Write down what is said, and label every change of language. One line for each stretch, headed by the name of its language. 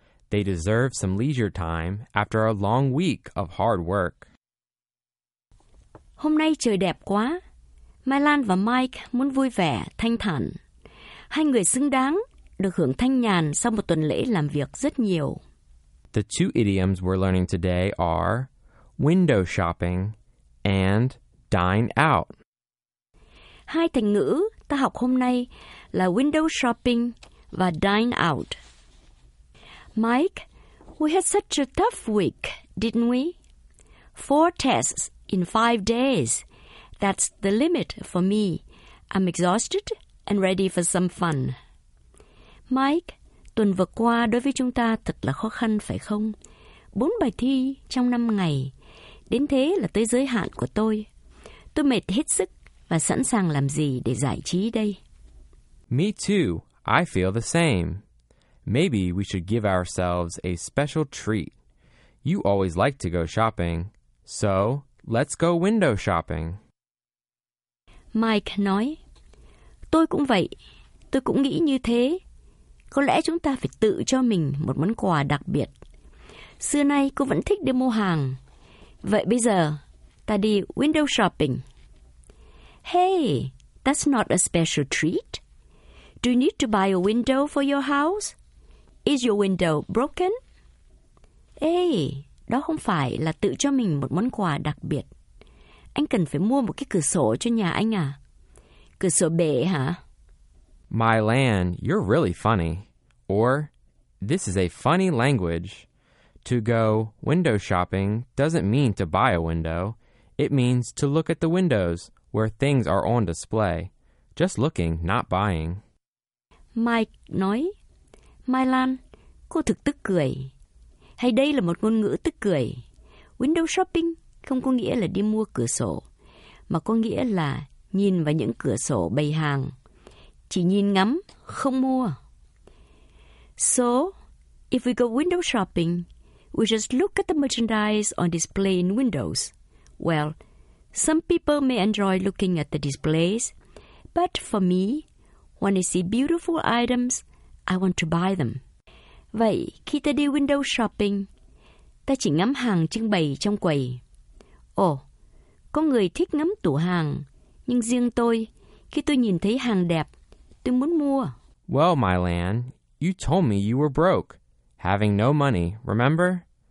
English: They deserve some leisure time after a long week of hard work.
Vietnamese: Hôm nay trời đẹp quá. Mai Lan và Mike muốn vui vẻ, thanh thản. Hai người xứng đáng được hưởng thanh nhàn sau một tuần lễ làm việc rất nhiều.
English: The two idioms we're learning today are window shopping and dine out.
Vietnamese: Hai thành ngữ ta học hôm nay là window shopping và dine out.
English: Mike, we had such a tough week, didn't we? 4 tests in 5 days. That's the limit for me. I'm exhausted and ready for some fun.
Vietnamese: Mike, tuần vừa qua đối với chúng ta thật là khó khăn phải không? 4 bài thi trong 5 ngày. Đến thế là tới giới hạn của tôi. Tôi mệt hết sức và sẵn sàng làm gì để giải trí đây?
English: Me too. I feel the same. Maybe we should give ourselves a special treat. You always like to go shopping. So, let's go window shopping.
Vietnamese: Mike nói, tôi cũng vậy, tôi cũng nghĩ như thế. Có lẽ chúng ta phải tự cho mình một món quà đặc biệt. Xưa nay cô vẫn thích đi mua hàng. Vậy bây giờ, ta đi window shopping.
English: Hey, that's not a special treat. Do you need to buy a window for your house? Is your window broken?
Vietnamese: Hey, đó không phải là tự cho mình một món quà đặc biệt. Anh cần phải mua một cái cửa sổ cho nhà anh à? Cửa sổ bể hả?
English: My Lan, you're really funny. Or, this is a funny language. To go window shopping doesn't mean to buy a window. It means to look at the windows where things are on display. Just looking, not buying.
Vietnamese: Mike nói, My Lan, cô thực tức cười. Hay đây là một ngôn ngữ tức cười. Window shopping không có nghĩa là đi mua cửa sổ, mà có nghĩa là nhìn vào những cửa sổ bày hàng. Chỉ nhìn ngắm, không mua.
English: So, if we go window shopping, we just look at the merchandise on display in windows. Well, some people may enjoy looking at the displays, but for me, when I see beautiful items, I want to buy them.
Vietnamese: Vậy, khi ta đi window shopping, ta chỉ ngắm hàng trưng bày trong quầy. Ồ, có người thích ngắm tủ hàng, nhưng riêng tôi, khi tôi nhìn thấy hàng đẹp, tôi muốn mua.
English: Well, my Lan, you told me you were broke, having no money, remember?